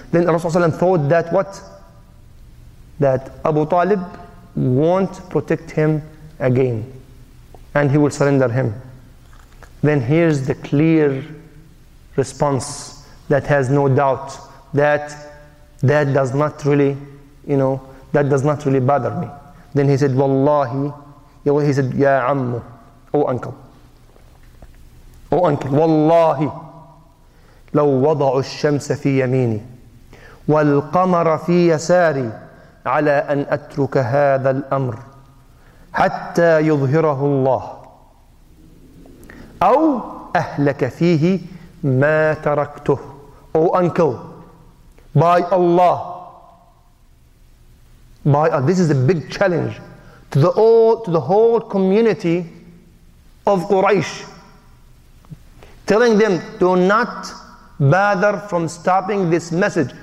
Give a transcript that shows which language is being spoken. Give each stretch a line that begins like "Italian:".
English: Then Rasul sallallahu alayhi wa sallam thought that what? That Abu Talib won't protect him again, and he will surrender him. Then here's the clear response that has no doubt that does not really, you know, that does not really bother me. Then he said,
Arabic: "Wallahi," he said, "Ya ammu,
English: oh uncle,
Arabic: wallahi, لو وضع الشمس في يميني والقمر في يساري على أن أترك هذا الأمر حتى يظهره الله أو أهلك فيه ما تركته."
English: Oh uncle, by Allah, this is a big challenge to the whole community of Quraysh, telling them, do not bother from stopping this message.